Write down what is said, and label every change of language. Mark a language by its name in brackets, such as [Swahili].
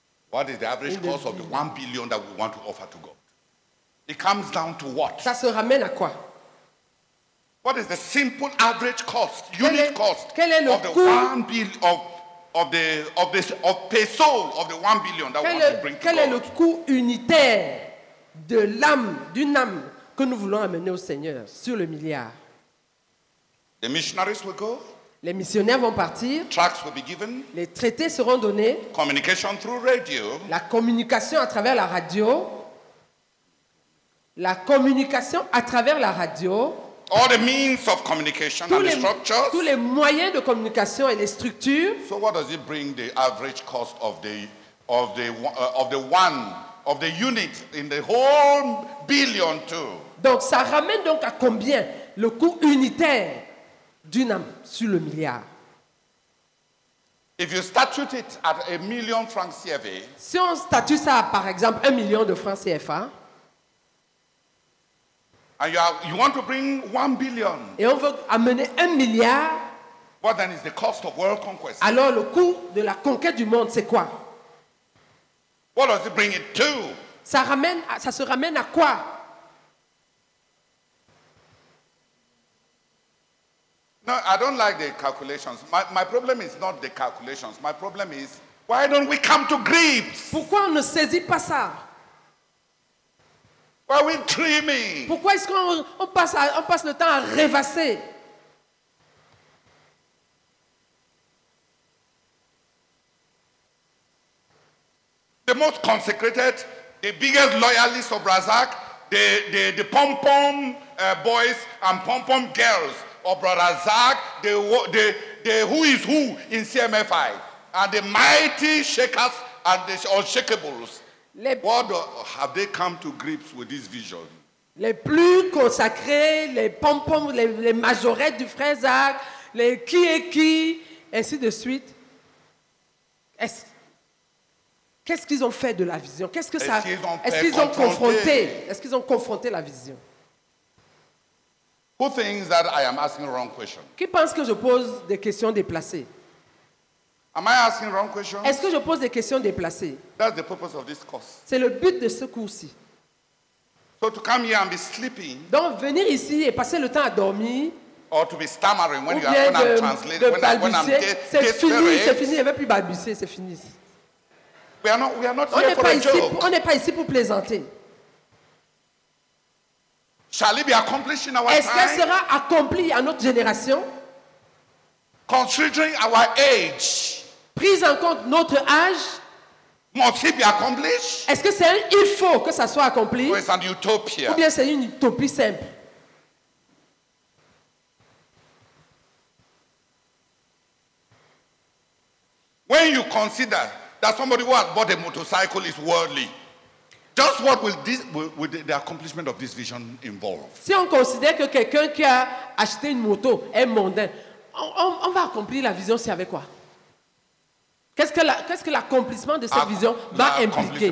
[English] What is the average cost of the 1 billion that we want to offer to God? It comes down to what? [French] Ça se ramène à quoi? [English] What is the simple average cost, cost [French] quel est le [English] of the [French] coût? [English] 1 billion of the 1 billion that we want to bring to [French] quel [English] God. [French] Est le coût unitaire de l'âme, d'une âme que nous voulons amener au Seigneur sur le milliard? [English] The missionaries will go. [French] Les missionnaires vont partir. [English] Tracts will be given. [French] Les traités seront donnés. [English] Communication through radio. [French] La communication à travers la radio. [English] All the means of communication [French] tous [English] and the structures. [French] Tous les moyens de communication et les structures. [English] So what does it bring the average cost of the unit in the whole billion to? [French] Donc ça ramène donc à combien le coût unitaire d'une âme sur le milliard? [English] If you statute it at 1 million francs CFA, [French] si on statue ça par exemple 1 million de francs CFA, [English] and you want to bring 1 billion, [French] et on veut amener 1 milliard, [English] what then is the cost of world conquest? [French] Alors le coût de la conquête du monde c'est quoi? [English] What does it bring it to? [French] Ça se ramène à quoi? [English] No, I don't like the calculations. My problem is not the calculations. My problem is, why don't we come to grips? [French] Pourquoi on ne saisit pas ça? [English] Why are we dreaming? [French] Pourquoi est-ce qu'on passe le temps à rêvasser? [English] The most consecrated, the biggest loyalists of Razak, the pom-pom boys and pom-pom girls, or Brother Zach, the who is who in CMFI, and the mighty shakers and the unshakables. Have they come to grips with this vision? [French] Les plus consacrés, les pompons, les majorettes du frère Zach, les qui est qui, ainsi de suite. Qu'est-ce qu'ils ont fait de la vision? Est-ce qu'ils ont confronté la vision? [English] Who thinks that I am asking wrong question? [French] Qui pense que je pose des questions déplacées? [English] Am I asking wrong questions? [French] Est-ce que je pose des questions déplacées? [English] That's the purpose of this course. [French] C'est le but de ce cours-ci. [English] So to come here and be sleeping. [French] Donc venir ici et passer le temps à dormir. [English] Or to be stammering when you are when I'm translating when [French] balbutier. C'est fini. Je ne vais plus balbutier. C'est fini. [English] We are not here for a joke. [French] On n'est pas ici pour plaisanter. [English] Shall it be accomplished in our [French] Est-ce qu'elle sera accomplie à notre génération? [English] Considering our age. [French] Prise en compte notre âge. [English] Must it be accomplished? [French] Est-ce que c'est un il faut que ça soit accompli? [English] Or it's an utopia. [French] Ou bien c'est une utopie simple? [English] When you consider that somebody who has bought a motorcycle is worldly. Just what will the accomplishment of this vision involve? [French] Si on considère que quelqu'un qui a acheté une moto est mondain, on va accomplir la vision, c'est avec quoi? Qu'est-ce que l'accomplissement de cette vision va impliquer?